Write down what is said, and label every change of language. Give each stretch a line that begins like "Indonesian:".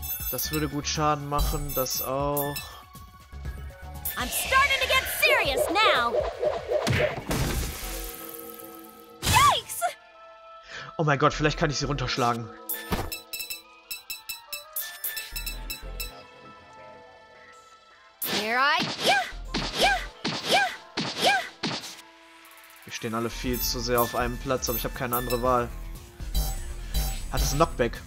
German: Das würde gut Schaden machen, das auch.
English: I'm starting to get serious now. Yikes!
German: Oh mein Gott, vielleicht kann ich sie runterschlagen.
English: Here I...
German: Wir stehen alle viel zu sehr auf einem Platz, aber ich habe keine andere Wahl. Hat es ein Knockback?